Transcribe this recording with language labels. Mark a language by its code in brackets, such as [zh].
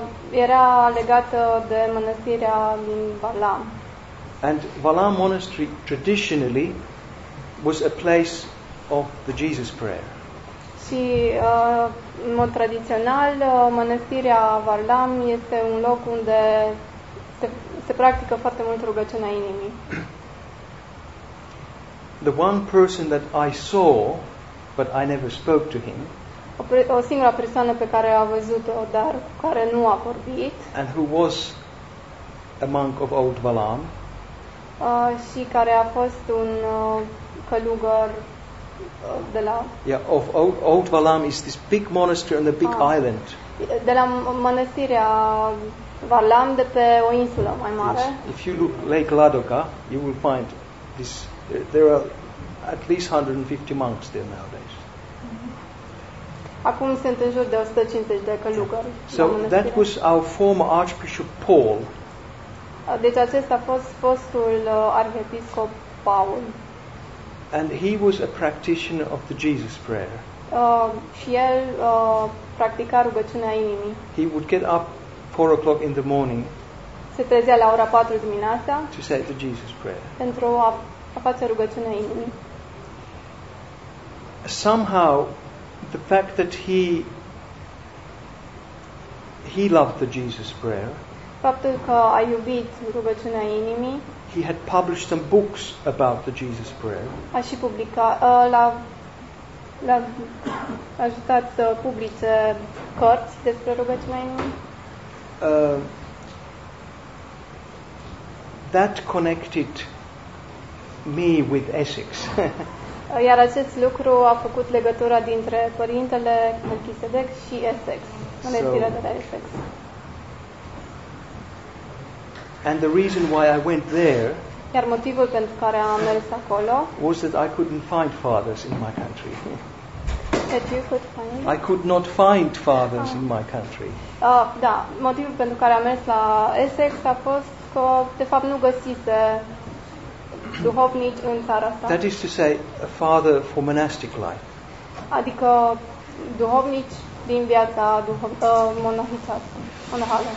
[ro] era legată de mănăstirea din Valam. [en] And Valam Monastery traditionally was a place of the Jesus Prayer. [ro] Și în mod tradițional, mănăstirea Valam este un loc unde se practică foarte mult rugăciunea inimii. [en] The one person that I saw, but I never spoke to him. [ro] O singura persoană pe care a văzut-o, dar cu care nu a vorbit. [en] And who was a monk of old Valam. [ro] Și care a fost un călugăr de la... [en] Yeah, of old Valam is this big monastery on the big island. [ro] De la mănăstirea Valam, de pe o insulă mai mare. [en] Yes. If you look Lake Ladoga, you will find this. There are at least 150 monks there nowadays. [ro] Acum sunt în jur de 150 de călugări. [en] So that was our former Archbishop Paul. [ro] Deci acesta a fost fostul arhiepiscop Paul. [en] And he was a practitioner of the Jesus Prayer. [ro] Și el practica rugăciunea inimii. [en] He would get up 4 o'clock in the morning. [ro] Se trezea la ora 4 dimineața. [en] To say the Jesus Prayer. [ro] Pentru a face rugăciunea inimii. [en] Somehow the fact that he loved the Jesus Prayer. [ro] Faptul că a iubit rugăciunea inimii. [en] He had published some books about the Jesus Prayer. [ro] A și publicat l-a ajutat să publice cărți despre rugăciunea inimii. [en] That connected me with Essex. [ro] Iar acest lucru a făcut legătura dintre părintele Melchisedec și Essex, mănăstirea de la Essex. [en] And the reason why I went there, [ro] iar motivul pentru care am mers acolo, [en] was that I couldn't find fathers in my country. That you could find? I could not find fathers in my country. [ro] Da, motivul pentru care am mers la Essex a fost că de fapt nu găsise duhovnici în țara asta. [en] That is to say, a father for monastic life. [ro] Adică duhovnici din viața monahală.